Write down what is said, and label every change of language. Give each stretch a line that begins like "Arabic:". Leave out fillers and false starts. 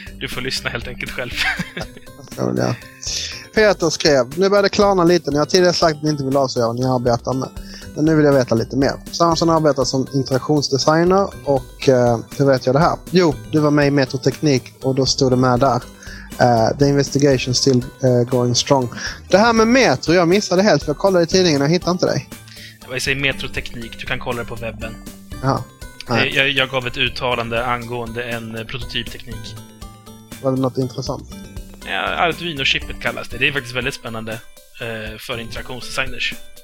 Swedish: Du får lyssna helt enkelt själv. Ja. Peter skrev: nu börjar det klarna lite. Ni har tidigare sagt att ni inte vill avslöja vad ni arbetar med, men nu vill jag veta lite mer. Samson arbetar som interaktionsdesigner. Och hur vet jag det här? Jo, du var med i Metroteknik, och då stod det med där.
English: The investigation still going strong.
Swedish: Det här med Metro, jag missade helt, för jag kollade i tidningen och hittade inte dig. Vad säger Metroteknik? Du kan kolla det på webben. Ja. Jag gav ett uttalande angående en prototypteknik. Var det något intressant? Ja, Arduino-chippet kallas det. Det är faktiskt väldigt spännande för interaktionsdesigners.